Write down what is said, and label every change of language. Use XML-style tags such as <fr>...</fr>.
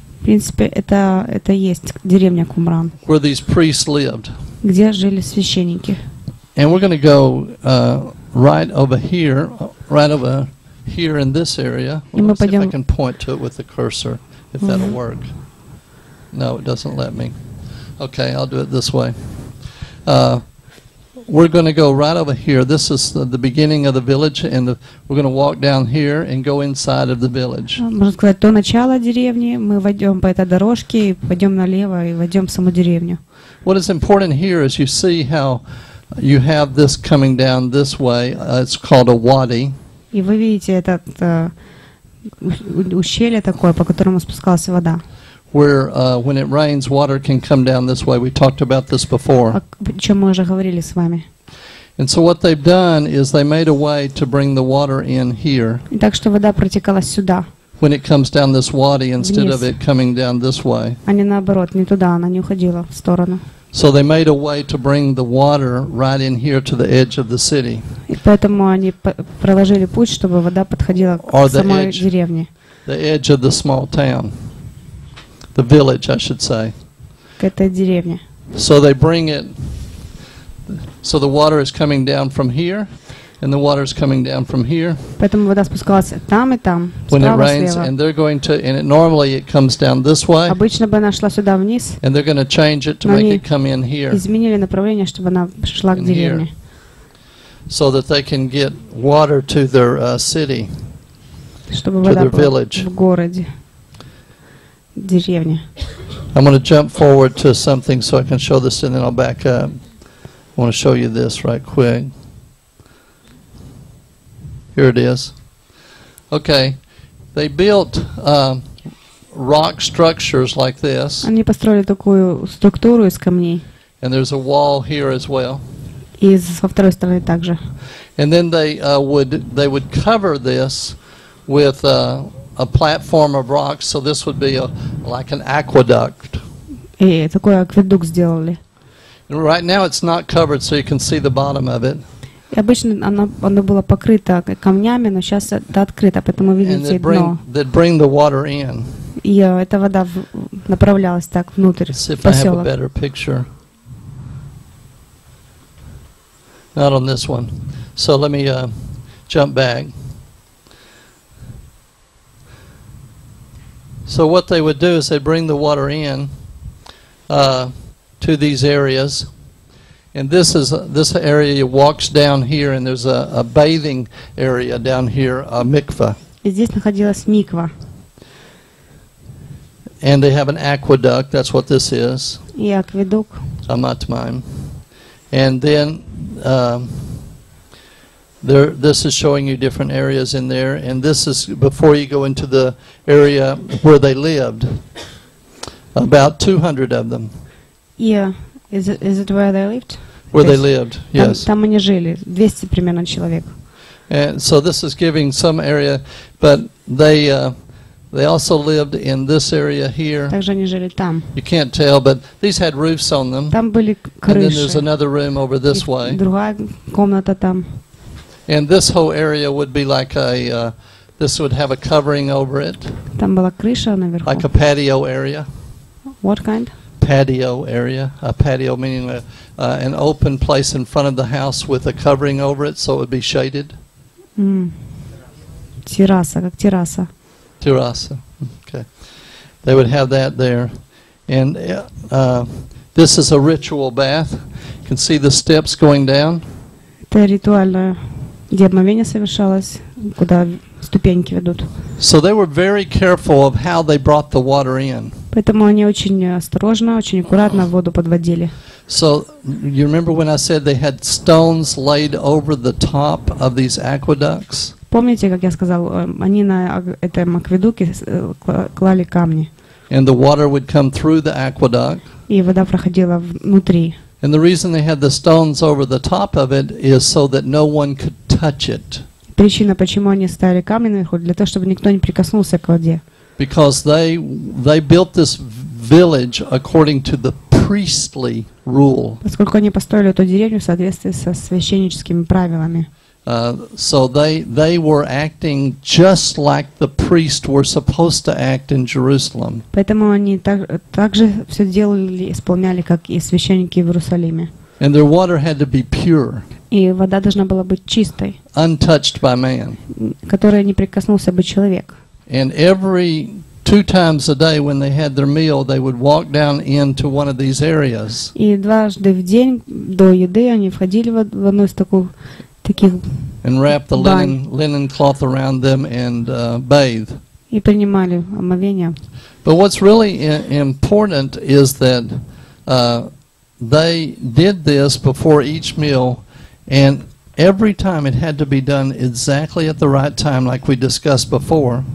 <ru>В принципе, это есть деревня Кумран.</ru> <en>Where these priests lived.</en> <ru>Где жили священники.</ru> <en>And we're going to go right over here in this area. Well, let's see if I can point to it with the cursor, if that'll work. No, it doesn't let me. Okay, I'll do it this way. We're going to go right over here. This is the beginning of the village, and we're going to walk down here and go inside of the village.</en> <ru>Можно сказать, то начало деревни, мы войдем по этой дорожке, пойдем налево и войдем в саму деревню.</ru> <en>What is important here is you see how you have this coming down this way. It's called a wadi.</en> <ru>И вы видите этот ущелье такое, по которому спускалась вода.</ru> <en>Where when it rains, water can come down this way. We talked about this before.</en> <ru>О чем мы уже говорили с вами.</ru> <en>And so what they've done is they made a way to bring the water in here.</en> <ru>Так что вода протекала сюда.</ru> <en>When it comes down this wadi instead of it coming down this way.</en> <ru>А не наоборот, не туда, она не уходила в сторону.</ru> <en>So they made a way to bring the water right in here to the edge of the city.</en> <ru>И поэтому они проложили путь, чтобы вода подходила к самой деревне.</ru> <en>The edge of the small town. The village, I should say.</en> <ru>К этой деревне.</ru> <en>So they bring it. So the water is coming down from here, and the water is coming down from here.</en> <ru>Поэтому вода спускалась там и там.</ru> <en>When it rains, and they're going to, and it normally it comes down this way.</en> <ru>Обычно бы она шла сюда вниз.</ru> <en>And they're going to change it to make it come in here.</en> <ru>Изменили направление, чтобы она шла к деревне.</ru> <en>So that they can get water to their city.</en> <ru>Чтобы вода была в городе.</ru> <en>I'm going to jump forward to something so I can show this, and then I'll back up. I want to show you this right quick. Here it is. Okay, they built rock structures like this.</en> <ru>Они построили такую структуру из камней.</ru> <en>And there's a wall here as well.</en> <ru>И со второй стороны также.</ru> <en>And then they would cover this with a platform of rocks, so this would be like an aqueduct.</en> <ru>И такой акведук сделали.</ru> <en>Right now it's not covered, so you can see the bottom of it.</en> <ru>И обычно оно было покрыто камнями, но сейчас это открыто, поэтому видите дно.</ru> <en>They'd bring the water in.</en> <ru>И эта вода направлялась так внутрь.</ru> <en>See if I have a better picture. Not on this one. So let me jump back. So what they would do is they'd bring the water in to these areas, and this area walks down here, and there's a bathing area down here, a mikveh.</en> <ru>И здесь находилась миква.</ru> <en>And they have an aqueduct. That's what this is.</en> <ru>И акведук.</ru> <en>A matmim. And then this is showing you different areas in there, and this is before you go into the area where they lived, about 200 of them. Yeah, is it where they lived? Where they lived, yes.</en> <ru>Там они жили, 200 примерно человек.</ru> <en>And so this is giving some area, but they also lived in this area here.</en> <ru>Также они жили там.</ru> <en>You can't tell, but these had roofs on them.</en> <ru>Там были крыши.</ru> <en>And then there's another room over this way.</en> <ru>Другая комната там.</ru> <en>And this whole area would be like this would have a covering over it. Там была крыша наверху. Like a patio area. What kind? Patio area. A patio meaning an open place in front of the house with a covering over it, so it would be shaded.</en> <ru>Терраса, как терраса.</ru> <en>Терраса. Okay. They would have that there. And this is a ritual bath. You can see the steps going down.</en> <ru>Это ритуальная. Где обмовение совершалось, куда ступеньки ведут.</ru> <en>So they were very careful of how they brought the water in.</en> <ru>Поэтому они очень осторожно, очень аккуратно воду подводили.</ru> <en>So you remember when I said they had stones laid over the top of these aqueducts?</en> <ru>Помните, как я сказал, они на этом акведуке клали камни.</ru> <en>And the water would come through the aqueduct.</en> <ru>И вода проходила внутри.</ru> <en>And the reason they had the stones over the top of it is so that no one could touch it.</en> <ru>Причина, почему они ставили камни наверху, для того, чтобы никто не прикоснулся к воде.</ru> <en>Because they built this village according to the priestly rule.</en> <ru>Поскольку они построили эту деревню в соответствии со священническими правилами.</ru> <en>So they were acting just like the priests were supposed to act in Jerusalem.</en> <ru>Поэтому они также все делали, исполняли, как и священники в Иерусалиме.</ru> <en>And their water had to be pure.</en> <ru>И вода должна была быть чистой.</ru> <en>Untouched by man.</en> <ru>Которая не прикоснулся бы человек.</ru> <en>And every two times a day when they had their meal, they would walk down into one of these areas.</en> <ru>И дважды в день до еды они входили в одну из таких.</ru> <en>And wrap the linen cloth around them and bathe.</en> <ru>И принимали омовение.</ru> <en>But what's really important is that they did this before each meal, and every time it had to be done exactly at the right time, like we discussed before.</en>